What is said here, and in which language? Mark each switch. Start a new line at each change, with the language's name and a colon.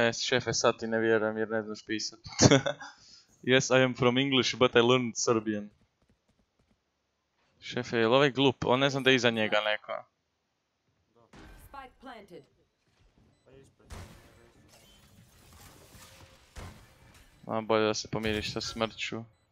Croatian: Šefe, sad ti ne vjerujem jer ne znaš pisat.
English: Yes, I am from English, but I learned Serbian.
Croatian: Šefe, je li ovaj glup? On ne znam da je iza njega neko. Ma, bolje da se pomiriš sa smrću.